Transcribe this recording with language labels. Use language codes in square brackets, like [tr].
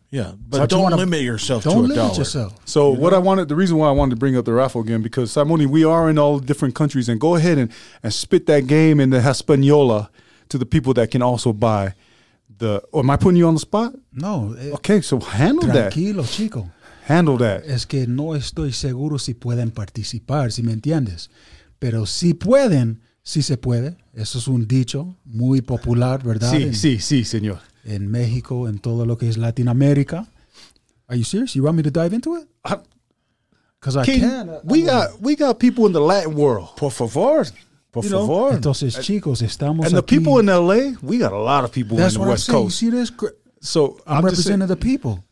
[en] Yeah, but don't limit yourself to a dollar. So you know? The reason why I wanted to bring up the raffle again, because Saimoni, we are in all different countries, and go ahead and spit that game in the Hispaniola to the people that can also buy the. Oh, am I putting you on the spot? No. Okay, so handle [es] tranquilo, [en] that. [es] Tranquilo, chico. [en] Handle that. [es] Es que no estoy seguro si pueden participar, si me entiendes. Pero si pueden, si se puede. Eso es un dicho muy popular, ¿verdad? Sí, señor. [en] In Mexico and [es] todo lo que es [en] Latin America. Are you serious? You want me to dive into it? Because I can. We got people in the Latin world. [es] Por favor. Por favor. Entonces, chicos, estamos aquí. [en] And the people in LA, we got a lot of people that's in the West Coast. See this? So I'm representing the people.